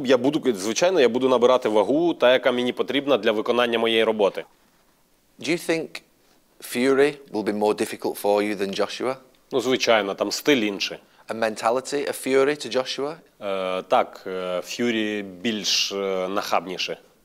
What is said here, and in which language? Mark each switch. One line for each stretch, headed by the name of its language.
Ukrainian: Я буду набирати вагу, та яка мені потрібна для виконання моєї роботи.
English: Do you think Fury will be more difficult for you than Joshua?
Ukrainian: Ну, звичайно, там стиль інший.
English: A mentality of Fury to Joshua?
Ukrainian: Так, Fury більш нахабніше.